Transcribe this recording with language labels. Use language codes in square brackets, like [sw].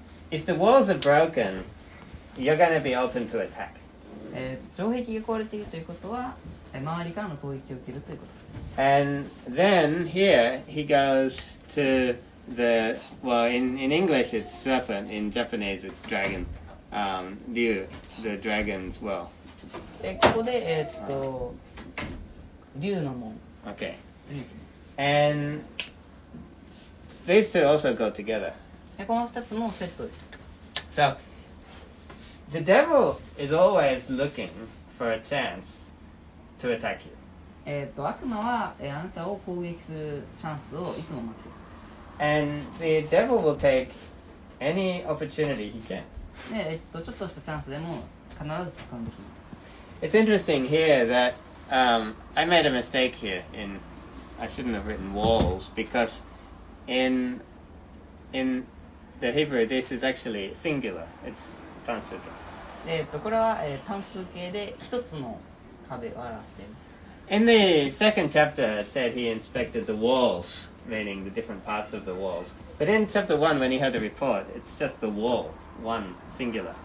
[en] If the walls are broken, you're going to be open to attack. [ja] 城壁が壊れているということは、周りからの攻撃を受けるということです。 [en] And then here he goes to the, well, in English it's serpent, in Japanese it's dragon, ryu, the dragon's well. [ja] ここで、ryu の門。 [en] Okay. And these two also go together. [ja] この二つもセットです。 [en] So, the devil is always looking for a chance to attack you. [ja] 悪魔は、あなたを攻撃するチャンスをいつも待っています。 [en] And the devil will take any opportunity he can. [ja] ちょっとしたチャンスでも必ず掴んできます。 [en] It's interesting here that, I made a mistake here in, I shouldn't have written walls, because in,The Hebrew, this is actually singular. It's 単数形。 [ja] これは、単数形で一つの壁を表しています。 [en] In the second chapter, it said he inspected the walls, meaning the different parts of the walls. But in chapter one, when he heard the report, it's just the wall, one singular.